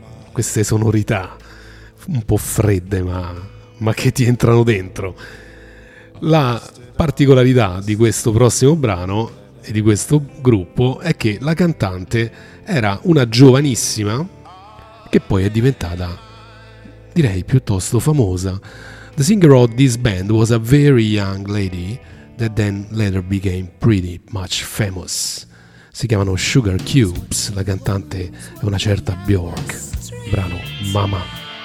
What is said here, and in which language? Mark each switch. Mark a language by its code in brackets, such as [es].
[it] Queste sonorità un po' fredde, ma che ti entrano dentro. La particolarità di questo prossimo brano e di questo gruppo è che la cantante era una giovanissima che poi è diventata, direi, piuttosto famosa. [en] The singer of this band was a very young lady that then later became pretty much famous. [it] Si chiamano Sugar Cubes, la cantante è una certa Björk. Brano Mama.